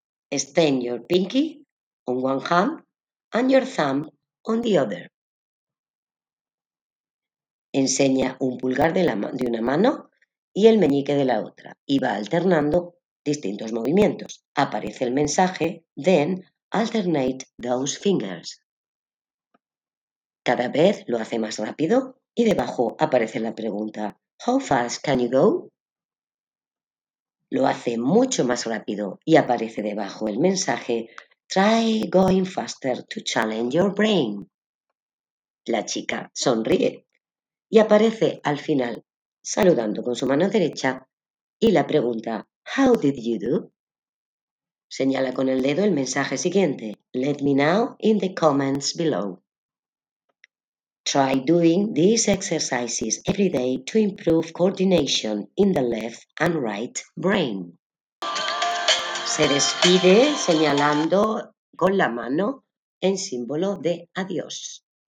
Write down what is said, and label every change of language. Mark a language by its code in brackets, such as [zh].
[en] Extend your pinky on one hand and your thumb on the other. [es] Enseña un pulgar de una mano y el meñique de la otra y va alternando distintos movimientos. Aparece el mensaje, [en] then alternate those fingers. [es] Cada vez lo hace más rápido y debajo aparece la pregunta, [en] how fast can you go? [es] Lo hace mucho más rápido y aparece debajo el mensaje, [en] try going faster to challenge your brain. [es] La chica sonríe y aparece al final saludando con su mano derecha y la pregunta, [en] how did you do? [es] Señala con el dedo el mensaje siguiente, [en] let me know in the comments below. Try doing these exercises every day to improve coordination in the left and right brain. [es] Se despide señalando con la mano en símbolo de adiós.